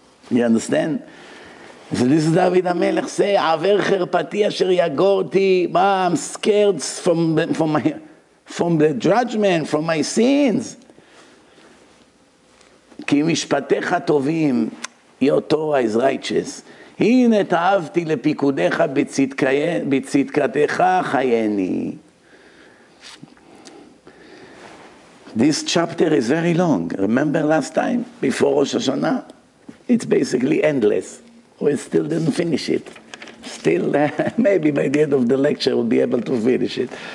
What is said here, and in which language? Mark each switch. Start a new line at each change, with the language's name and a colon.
English: You understand? So this is David HaMelech say,
Hebrew: Aver cherpati asher yagorti.
English: I'm scared from the judgment, from my sins.
Hebrew: Ki mishpatecha tovim.
English: Your Torah is righteous.
Hebrew: הנה תאהבתי לפיקודיך בצדקתך חייני.
English: This chapter is very long. Remember last time, before Rosh Hashanah? It's basically endless. We still didn't finish it. Still, maybe by the end of the lecture we'll be able to finish it.